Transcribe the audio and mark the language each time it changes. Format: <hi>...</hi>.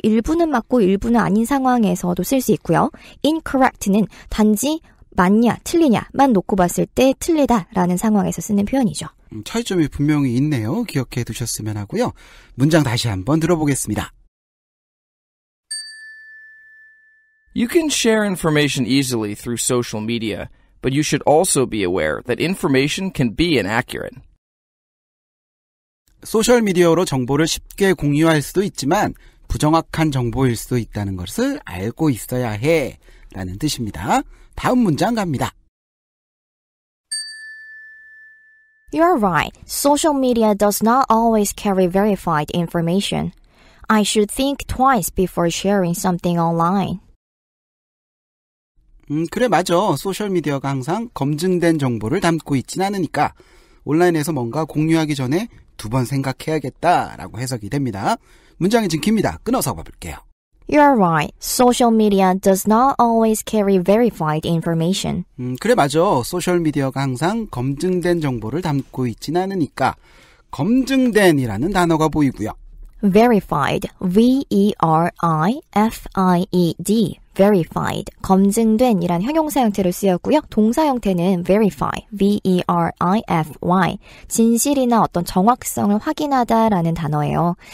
<ko>일부는 맞고 일부는 아닌 상황에서도 쓸 수 있고요. incorrect는 단지 맞냐, 틀리냐만 놓고 봤을 때 틀리다라는 상황에서 쓰는 표현이죠. 차이점이 분명히 있네요. 기억해 두셨으면 하고요. 문장 다시 한번 들어보겠습니다.</ko> <en>You can share information easily through social media, but you should also be aware that information can be inaccurate.</en> <ko>소셜미디어로 정보를 쉽게 공유할 수도 있지만 부정확한 정보일 수도 있다는 것을 알고 있어야 해 라는 뜻입니다. 다음 문장 갑니다.</ko> <en>You are right. Social media does not always carry verified information. I should think twice before sharing something online.</en> <ko>그래 맞아. 소셜미디어가 항상 검증된 정보를 담고 있진 않으니까 온라인에서 뭔가 공유하기 전에 두 번 생각해야겠다라고 해석이 됩니다. 문장이 긴입니다. 끊어서 봐볼게요.</ko> <en>You are right. Social media does not always carry verified information.</en> <ko>그래 맞아. 소셜미디어가 항상 검증된 정보를 담고 있진 않으니까 검증된이라는 단어가 보이고요. verified, V-E-R-I-F-I-E-D, verified, 검증된 이란 형용사 형태로 쓰였고요. 동사 형태는 verify, V-E-R-I-F-Y, 진실이나 어떤 정확성을 확인하다 라는 단어예요.</ko>